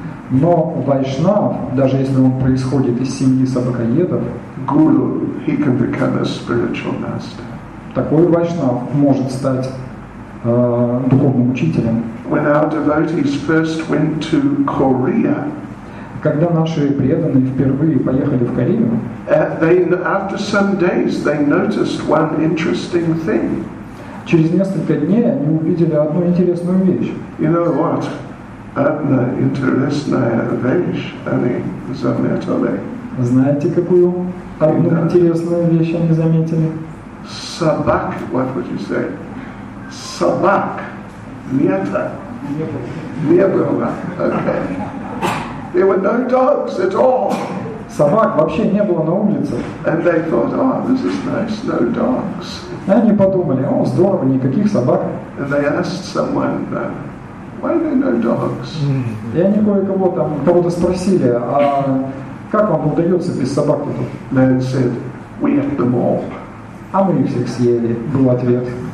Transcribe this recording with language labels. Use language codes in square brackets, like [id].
[ru] Но Вайшнав, даже если он происходит из семьи собакоедов, [en] guru, he can become a spiritual master. [ru] Такой Вайшнав может стать духовным учителем. [en] When our devotees first went to Korea, [ru] когда наши преданные впервые поехали в Корею, [en] after some days they noticed one interesting thing. [ru] Через несколько дней они увидели одну интересную вещь. [en] You know what? [ru] Одна интересная вещь они заметили. Знаете, какую одну интересную вещь они заметили? Собак, [en] what would you say? [ru] Собак. Нету. Не было. [en] Okay. There were no dogs at all. [ru] Собак вообще не было на улице. [en] And they thought, oh, this is nice, no dogs. [ru] И они подумали, о, здорово, никаких собак. [en] And they asked someone, why are there no dogs? [ru] И они кое-кого там, кого-то спросили, а как вам удается без собак тут? [en] They said, we ate them all. [ru] А мы их всех съели, был ответ.